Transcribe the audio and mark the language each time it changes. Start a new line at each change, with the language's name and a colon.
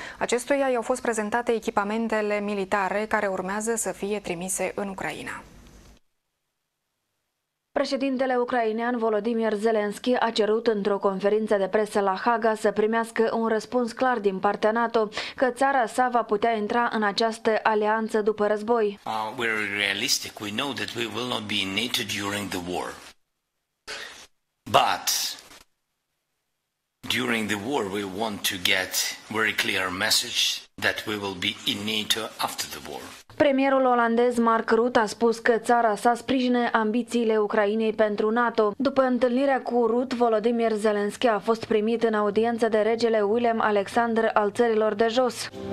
Romanian: Acestuia i-au fost prezentate echipamentele militare care urmează să fie trimise în Ucraina. Președintele ucrainean Volodymyr Zelensky a cerut într-o conferință de presă la Haga să primească un răspuns clar din partea NATO că țara sa va putea intra în această alianță după război.
English: We're realistic. We know that we will not be in NATO during the war. But during the war we want to get very clear message that we will be in NATO after the war.
Romanian: Premierul olandez Mark Rutte a spus că țara sa sprijină ambițiile Ucrainei pentru NATO. După întâlnirea cu Rutte, Volodymyr Zelensky a fost primit în audiență de regele William Alexander al țărilor de jos.